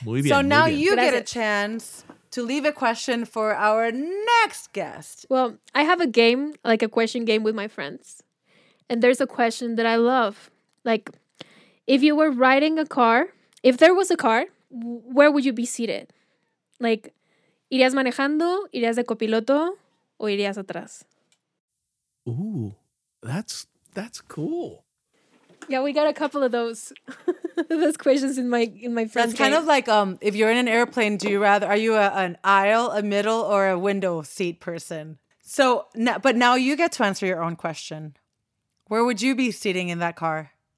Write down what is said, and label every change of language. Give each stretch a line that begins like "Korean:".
English: so now you get a chance to leave a question for our next guest. Well, I have a game, like a question game with my friends. And there's a question that I love. Like, if you were riding a car, if there was a car, where would you be seated?
Spanish: Like, ¿irías manejando, irías de copiloto, o irías atrás?
English: Ooh, that's cool. Yeah, we got a couple of those those questions in my friend's game. That's kind of like if you're in an airplane, are you an aisle, a middle, or a window seat person? So, but now you get to answer your own question. Where would you be sitting in that car?